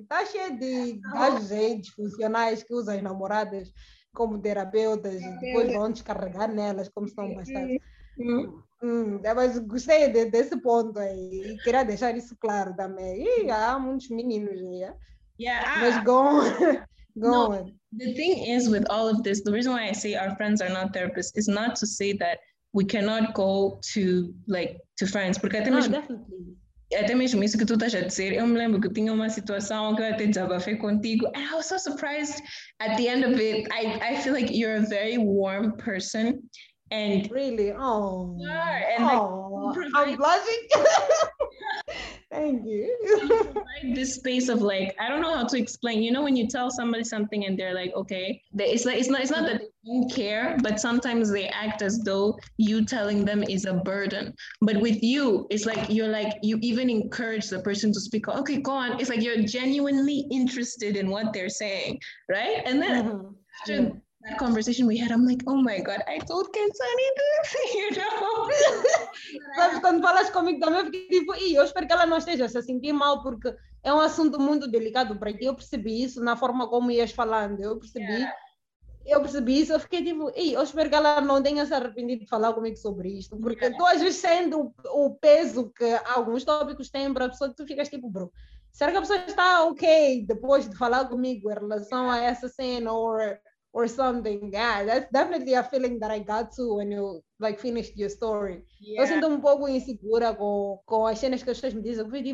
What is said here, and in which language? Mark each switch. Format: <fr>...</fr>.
<pt>Está cheio de agentes funcionais que usam as namoradas como terapeutas e depois vão descarregar nelas como se não bastasse. Mas gostei desse ponto aí e queria deixar isso claro também. Há muitos meninos aí. Mas</pt> <en>go on. The thing is with all of this, the reason why I say our friends are not therapists is not to say that we cannot go to, like, to friends.</en> <pt>Porque até mesmo, até mesmo isso que tu estás a dizer, eu me lembro que tinha uma situação que eu até desabafei contigo.</pt> <en>And I was so surprised at the end of it. I feel like you're a very warm person. And really? Oh. You are. And I'm blushing. Thank you. Like this space of, like, I don't know how to explain. You know when you tell somebody something and they're like, okay, it's not that they don't care, but sometimes they act as though you telling them is a burden. But with you, it's like you're like, you even encourage the person to speak. Okay, go on. It's like you're genuinely interested in what they're saying, right? And then that conversation we had, I'm like, oh my god, I told Kensani this, you know.</en> <pt>Sabes, quando falas comigo também, eu fiquei tipo, e eu espero que ela não esteja se sentindo mal, porque é um assunto muito delicado para ti. Eu percebi isso na forma como ias falando, eu percebi isso, eu fiquei tipo, e eu espero que ela não tenha se arrependido de falar comigo sobre isto, porque tu às vezes sendo o peso que alguns tópicos têm para a pessoa, tu ficas tipo, bro, será que a pessoa está ok depois de falar comigo em relação a essa cena,</pt> <en>or something? Yeah, that's definitely a feeling that I got to when you, like, finished your story. Yeah.</en> <pt>Eu sinto um pouco insegura com as cenas que as pessoas me dizem.</pt>